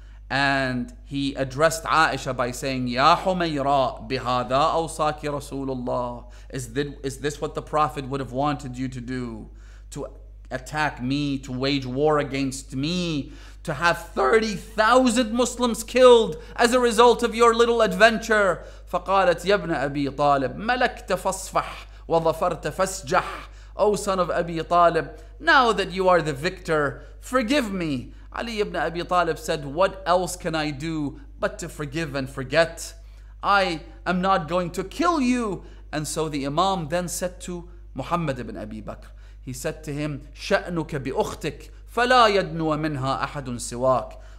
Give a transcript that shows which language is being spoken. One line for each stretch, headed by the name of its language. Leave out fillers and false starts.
English: And he addressed Aisha by saying,
Arabic: Ya Humaira, bihada awsaki Rasulullah.
English: Is this what the Prophet would have wanted you to do? To attack me, to wage war against me, to have 30,000 Muslims killed as a result of your little adventure?
Arabic: فقالت يا ابن أبي طالب ملكت فصفح وظفرت فسجح.
English: O son of Abi Talib, now that you are the victor, forgive me. Ali ibn Abi Talib said, what else can I do but to forgive and forget? I am not going to kill you. And so the Imam then said to Muhammad ibn Abi Bakr, he said to him,
Arabic: شَأْنُكَ بِأُخْتِكَ فَلَا يَدْنُوَ مِنْهَا أَحَدٌ سِوَاكَ.